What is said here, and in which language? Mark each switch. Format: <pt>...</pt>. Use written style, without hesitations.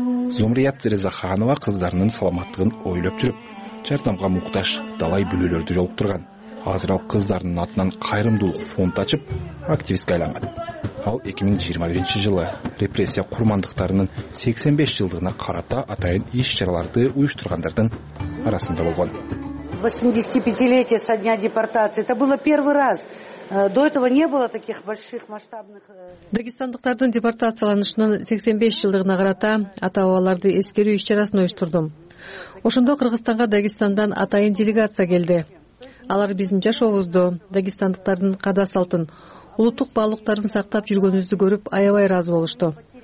<ky>Зумрият Резаханова кыздарынын саламаттыгын ойлоп жүрүп, жардамга муктаж далай бүлөлөрдү жолуктурган. Азыр ал кыздарынын атынан кайрымдуулук фонд ачып, активистке айланган. Ал 2021 жылы репрессия курмандыктарынын 85 жылдыгына карата атайын иш-чараларды уюштургандардын арасында болгон.</ky> <ru>85-летие со дня депортации. Это было первый раз. До этого не было таких больших масштабных.</ru> <ky>Дагестандыктардын депортацияланышынын 85 жылдыгына карата ата-бабаларды эскерүү иш-чарасын уюштурдум. Ошондо Кыргызстанга Дагестандан атайын делегация келди. Алар биздин жашообузду, дагестандыктардын каада салтын, улуттук баалуулуктарын сактап жүргөнүбүздү көрүп, аябай ыраазы болушту.</ky>